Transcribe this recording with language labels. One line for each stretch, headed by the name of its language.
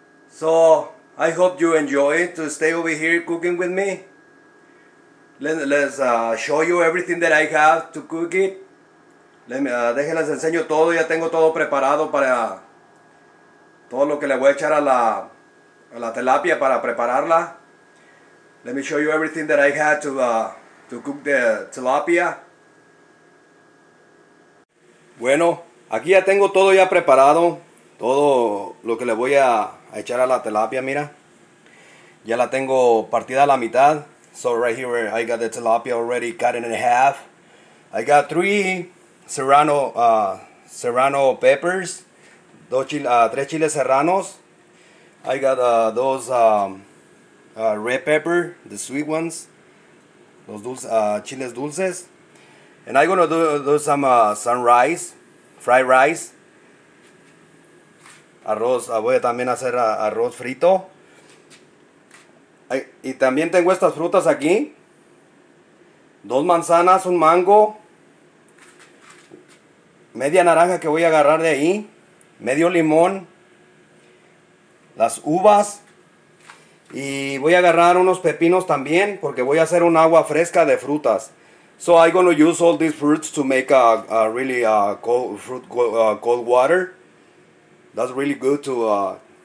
English: So I hope you enjoy to stay over here cooking with me. Let's show you everything that I have to cook it.
Spanish: Déjenles enseño todo, ya tengo todo preparado para todo lo que le voy a echar a la tilapia para prepararla.
English: Let me show you everything that I had to cook the tilapia.
Spanish: Bueno, aquí ya tengo todo ya preparado, todo lo que le voy a echar a la tilapia, mira. Ya la tengo partida a la mitad.
English: So right here I got the tilapia already cut in half. I got three serrano peppers,
Spanish: tres chiles serranos.
English: I got red pepper, the sweet ones,
Spanish: los dulces, chiles dulces.
English: And I'm gonna do some rice, fried rice, arroz.
Spanish: Voy a también hacer arroz frito. Y también tengo estas frutas aquí, dos manzanas, un mango, media naranja que voy a agarrar de ahí, medio limón, las uvas, y voy a agarrar unos pepinos también, porque voy a hacer un agua fresca de frutas.
English: So I'm going to use all these fruits to make a really cold water. That's really good to